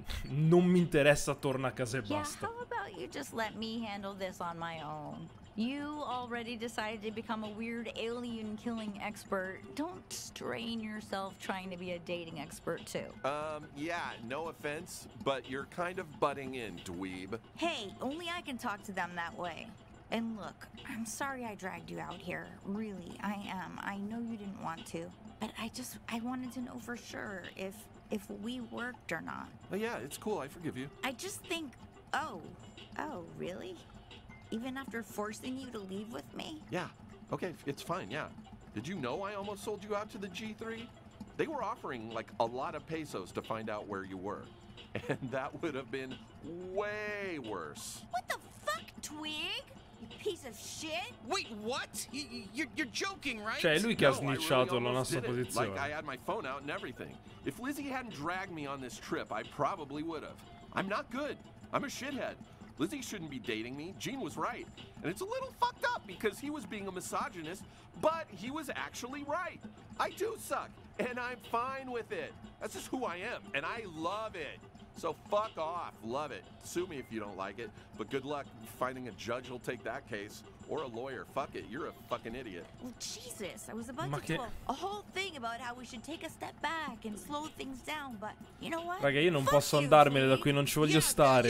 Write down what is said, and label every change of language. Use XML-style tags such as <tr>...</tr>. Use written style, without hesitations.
<it>Non mi interessa, torna a casa e basta.</it> <en>Yeah, how about you just let me handle this on my own? You already decided to become a weird alien killing expert. Don't strain yourself trying to be a dating expert too. Yeah, no offense, but you're kind of butting in, dweeb. Hey, only I can talk to them that way. And look, I'm sorry I dragged you out here. Really, I am. I know you didn't want to, but I wanted to know for sure if we worked or not. Oh yeah, it's cool. I forgive you. I just think... Oh, really? Even after forcing you to leave with me? Yeah. Okay, it's fine, yeah. Did you know I almost sold you out to the G3? They were offering, like, a lot of pesos to find out where you were. And that would have been way worse. What the fuck, Tweeg? You piece of shit? Wait, what? You're joking, right?</en> <it>Cioè, lui che ha snicciato la nostra posizione.</it> <en>Like, I had my phone out and everything. If Lizzie hadn't dragged me on this trip, I probably would have. I'm not good. I'm a shithead. Lizzie shouldn't be dating me. Gene was right. And it's a little fucked up because he was being a misogynist, but he was actually right. I do suck, and I'm fine with it. That's just who I am, and I love it. So fuck off. Love it. Sue me if you don't like it. But good luck finding a judge who'll take that case. Or a lawyer. Fuck it. You're a fucking idiot. Well, Jesus. I was about to do a whole thing about how we should take a step back and slow things down. But you know what?</en> <it>Raga, io non posso andarmene da qui. Non ci voglio stare.</it>